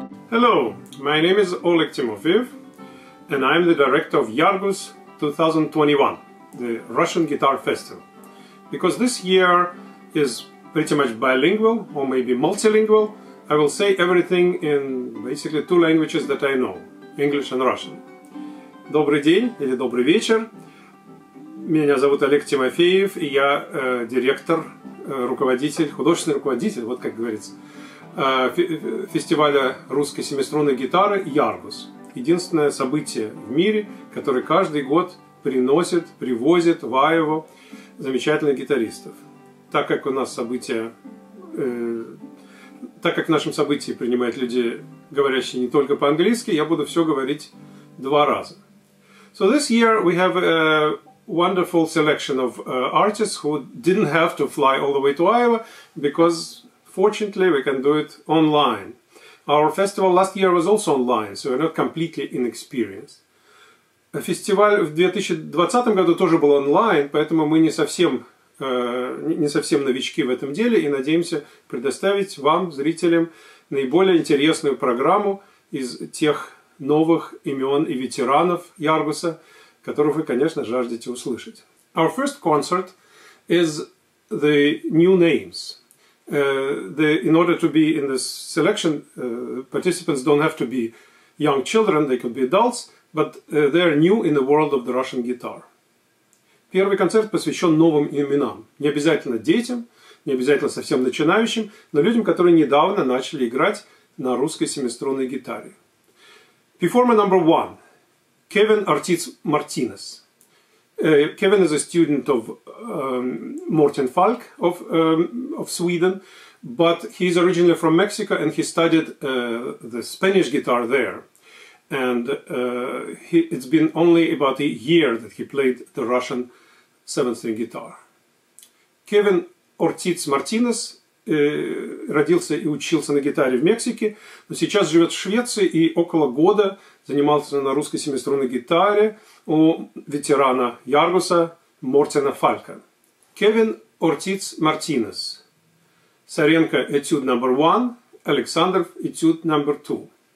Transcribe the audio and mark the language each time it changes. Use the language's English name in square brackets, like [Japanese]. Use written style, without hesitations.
[English] Hello, my name is Oleg Timofeev and I'm the director of IARGUS 2021, the Russian Guitar Festival. Because this year is pretty much bilingual or maybe multilingual, I will say everything in basically two languages that I know, English and Russian. [Russian] Добрый день или добрый вечер. Меня зовут Олег Тимофеев, и я директор, руководитель, художественный руководитель, вот как говорится, фестиваля русской семиструнной гитары IARGUS. Единственное событие в мире, которое каждый год приносит, привозит в Айову замечательных гитаристов. Так как у нас события, так как в нашем событии принимают люди, говорящие не только по-английски, я буду все говорить два раза. [English] So this year we have a wonderful selection of artists who didn't have to fly all the way to Iowa because fortunately we can do it online. Our festival last year was also online, so we're not completely inexperienced. [Russian] Фестиваль в 2020 году тоже был онлайн, поэтому мы не совсем новички в этом деле и надеемся предоставить вам, зрителям, наиболее интересную программу из тех новых имен и ветеранов Яргуса, которых вы, конечно, жаждете услышать. [English] Our first concert is the new names. In order to be in this selection, participants don't have to be young children, they could be adults, but they are new in the world of the Russian guitar. [Russian] Первый концерт посвящен новым именам. Не обязательно детям, не обязательно совсем начинающим, но людям, которые недавно начали играть на русской семиструнной гитаре. [English] Performer number one, Kevin Ortiz Martinez. Kevin is a student of Morten Falk of Sweden, but he's originally from Mexico and he studied the Spanish guitar there. And it's been only about a year that he played the Russian seventh string guitar. [Russian] Kevin Ortiz Martinez родился и учился на гитаре в Мексике, но сейчас живет в Швеции и около года занимался на русской семиструнной гитаре у ветерана Яргуса Мортена Фалька. Кевин Ортиц Мартинес. Саренко этюд номер 1, Александров этюд номер 2.